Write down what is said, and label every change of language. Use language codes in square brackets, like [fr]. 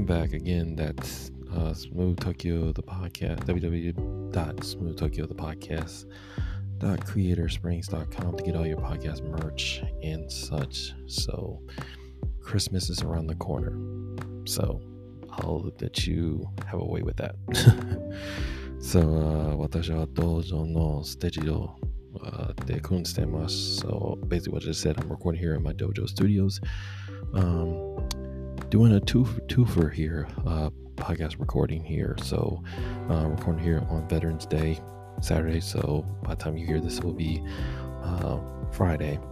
[en] Again, that's Smooth Tokyo the Podcast, www.smoothtokyothepodcast.creatorsprings.com to get all your podcast merch and such. So Christmas is around the corner, so I'll let you have a way with that. So [ja] 私は道場のステージをで訓練してます。 [en] So basically what I just said, I'm recording here in my dojo studios. Doing a twofer here, podcast recording here. So recording here on Veterans Day, Saturday. So by the time you hear this, it will be Friday.